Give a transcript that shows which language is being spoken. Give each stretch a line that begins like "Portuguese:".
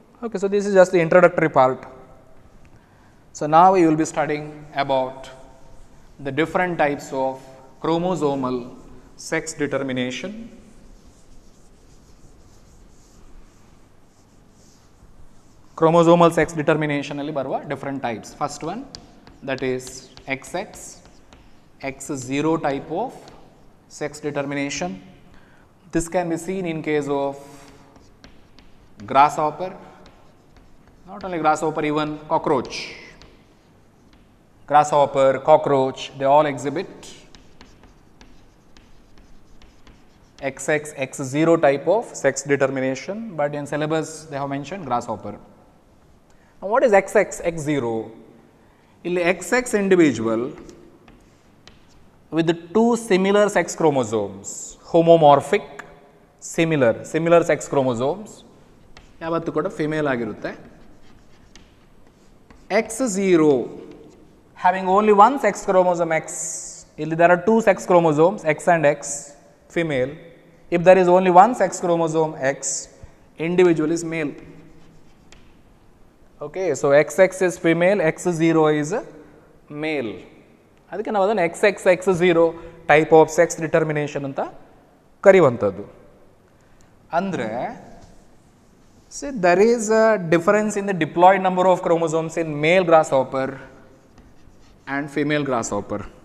English: Okay, so this is just the introductory part. So ನಾವು you will be studying about the different types of chromosomal sex determination. Chromosomal sex determination
Kannada: ಅಲ್ಲಿ ಬರುವ
English: Different types, first one that is X X X0 type of sex determination. This can be seen in case of grasshopper, not only grasshopper, even cockroach. Grasshopper, cockroach, they all exhibit XX, X0 type of sex determination, but in syllabus they have mentioned grasshopper. Now what is XX, X0? In XX individual, with the two similar sex chromosomes, homomorphic, similar sex chromosomes,
Kannada: yavattu kuda female agirutte.
English: X0 having only one sex chromosome X, illi there are two sex chromosomes X and X, female. If there is only one sex chromosome X, individual is male. Okay, so XX is female, X0 is male.
Kannada: ಅದಕ್ಕೆ ನಾವು ಅದನ್ನು X X X zero type of sex determination ಅಂತ ಕರೆಯುವಂಥದ್ದು.
English: ಅಂದರೆ see there is a difference in the diploid number of chromosomes in male grasshopper and female grasshopper.